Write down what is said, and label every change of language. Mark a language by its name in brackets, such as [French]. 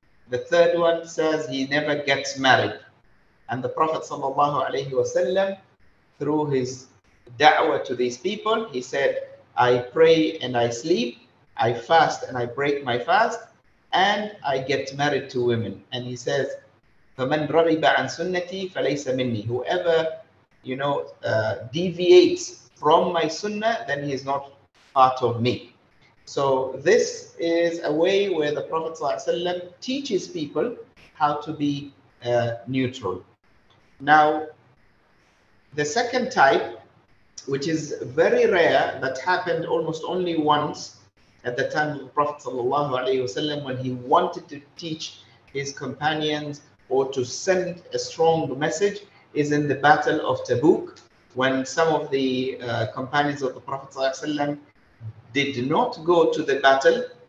[English] The third one says he never gets married. And the Prophet sallallahu alaihi wasallam, through his da'wah to these people, he said, I pray and I sleep, I fast and I break my fast, and I get married to women. And he says, [Arabic] فَمَنْ رَغِبَ عَنْ سُنَّتِي فَلَيْسَ مِنِّي. [English] Whoever, you know, deviates from my sunnah, then he is not part of me. So this is a way where the Prophet sallallahu alaihi wasallam teaches people how to be neutral. Now, the second type, which is very rare, that happened almost only once at the time of the Prophet sallallahu alaihi wasallam, when he wanted to teach his companions or to send a strong message, is in the Battle of Tabuk, when some of the companions of the Prophet sallallahu alaihi wasallam did not go to the battle.